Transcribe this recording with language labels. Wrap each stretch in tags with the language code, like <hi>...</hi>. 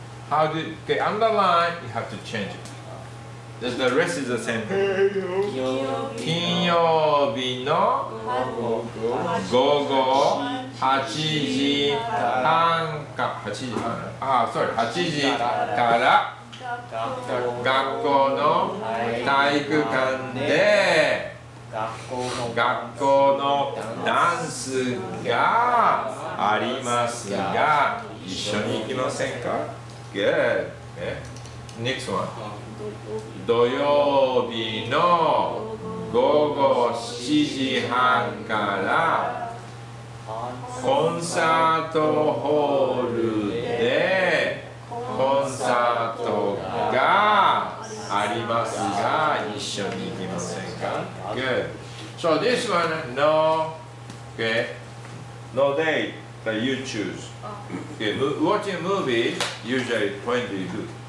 <en>How do you, okay, underline, you have to change it. The rest is the same thing.</en> <ja>金曜日の午後8時半か8時半ああ、sorry 8時から学校の体育館で学校のダンスがありますが一緒に行きませんか</ja> <en>Good. Next one.</en> <ja>土曜日の午後7時半からコンサートホールでコンサートがありますが一緒に行きませんか</ja> <en>Good. So this one, no, okay, no day that you choose. Okay, watching a movie, usually point to you.</en>